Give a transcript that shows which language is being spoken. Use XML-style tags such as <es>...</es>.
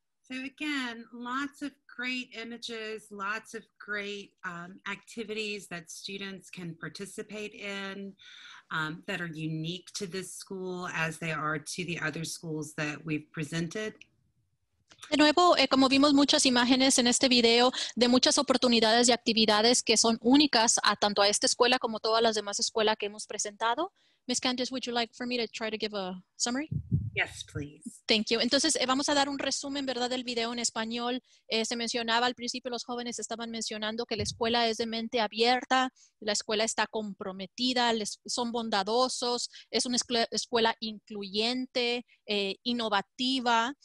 <en>So again, lots of great images, lots of great activities that students can participate in. that are unique to this school as they are to the other schools that we've presented?</en> <es>De nuevo, como vimos muchas imágenes en este video, de muchas oportunidades y actividades que son únicas a tanto a esta escuela como todas las demás escuelas que hemos presentado.</es> <en>Ms. Candice, would you like for me to try to give a summary? Yes, please. Thank you.</en> <es>Entonces, vamos a dar un resumen, ¿verdad?, del video en español. Se mencionaba al principio, los jóvenes estaban mencionando que la escuela es de mente abierta, la escuela está comprometida, son bondadosos, es una escuela incluyente, innovativa.</es>